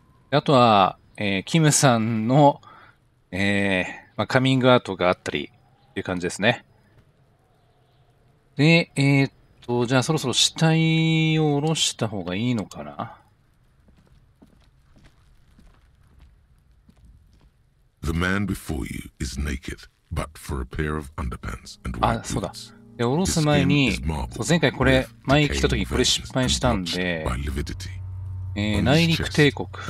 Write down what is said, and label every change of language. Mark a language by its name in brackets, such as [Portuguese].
[Japanese] あとは、キムさんの、カミングアウトがあったり、という感じですね。で、じゃあそろそろ死体を下ろした方がいいのかな？ [English] The man before you is naked, but for a pair of underpants and white boots. [Japanese] あ、そうだ。で、下ろす前に、前回これ、前に来た時にこれ失敗したんで、内陸帝国。